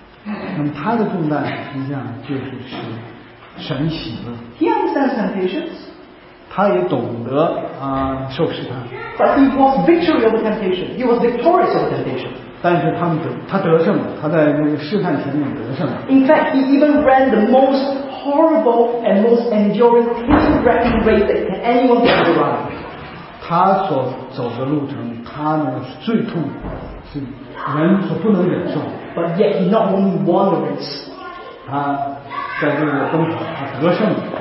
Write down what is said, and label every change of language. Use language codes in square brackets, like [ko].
[zh] 那么他的重担实际上就是使神喜乐。 [en] He understands temptations. [zh] 他也懂得啊、受试探。 [en] But he was victory over temptation. He was victorious over temptation. [zh] 但是他得胜了，他在那个试探前面得胜了。 [en] In fact, he even ran the most horrible and most enduring pain-wracking race that anyone could ever run. [zh] 他所走的路程，他呢是最痛苦，是人所不能忍受。 [en] But yet he not only won the race. [zh] 他在这个东西他得胜了。